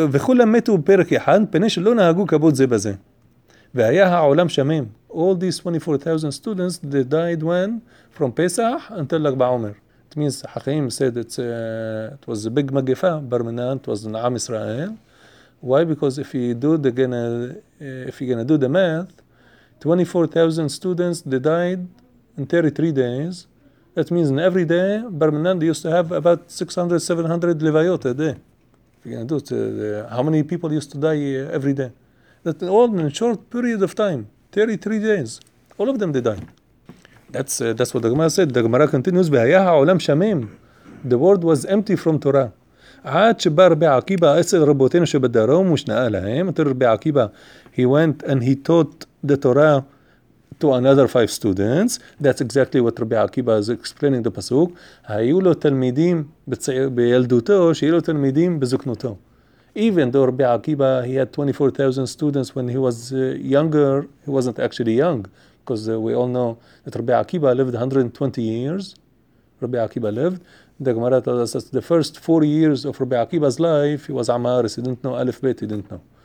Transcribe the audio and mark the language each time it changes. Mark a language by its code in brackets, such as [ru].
[he] וכולם מתו בפרק אחד, פני שלא נהגו כבוד זה בזה. והיה העולם שמם. [en] All these 24,000 students, they died when? From Pesach until Lag Ba'omer. It means, Hakim said, it was a big מגפה, בר מינן, it was an עם ישראל. Why? Because if you do the, if you're going to do the math, 24,000 students, they died in 33 days, That means in every day, Bar Minan used to have about 600-700 levayot a day. If you can do it, how many people used to die every day? That all in a short period of time, 33 days, all of them they died. That's what the Gemara said. The Gemara continues, [he] "Behaya ha'olam shamim." [en] The world was empty from Torah. [he] Ad shebar be'akiba esed rabotenu shebedarom ushna'a lahem. [en] Until Rabbi Akiba, he went and he taught the Torah to another 5 students. That's exactly what Rabbi Akiba is explaining the Pasuk. [he] היו לו תלמידים בילדותו, שיהיו לו תלמידים בזוקנותו. [en] Even though Rabbi Akiba, he had 24,000 students when he was younger, he wasn't actually young, because we all know that Rabbi Akiba lived 120 years. Rabbi Akiba lived. The Gemara tells us that the first 4 years of Rabbi Akiba's life, he was Amaris, he didn't know Aleph Bet, he didn't know.